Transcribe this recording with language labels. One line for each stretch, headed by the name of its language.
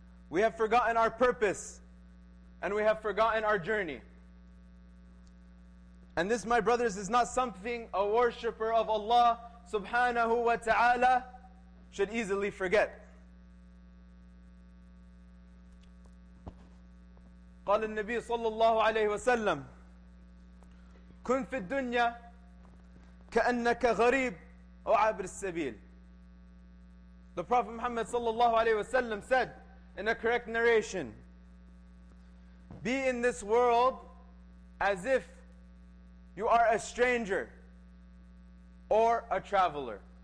English: We have forgotten our purpose, and we have forgotten our journey. And this, my brothers, is not something a worshipper of Allah subhanahu wa ta'ala should easily forget.
Arabic: قال النبي صلى الله عليه وسلم كن في الدنيا كأنك غريب أو عابر السبيل.
English: The Prophet Muhammad
Arabic: صلى الله عليه وسلم
English: said in a correct narration, be in this world as if you are a stranger or a traveler.